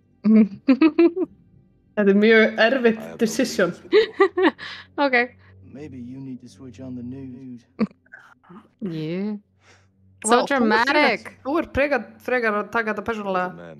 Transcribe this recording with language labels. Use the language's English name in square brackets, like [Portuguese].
[Icelandic] Þetta er mjög erfitt decision. [English] Ok. Maybe you need to switch on the news. Yeah. So dramatic. [Icelandic] Þú er frekar að taka þetta persónulega.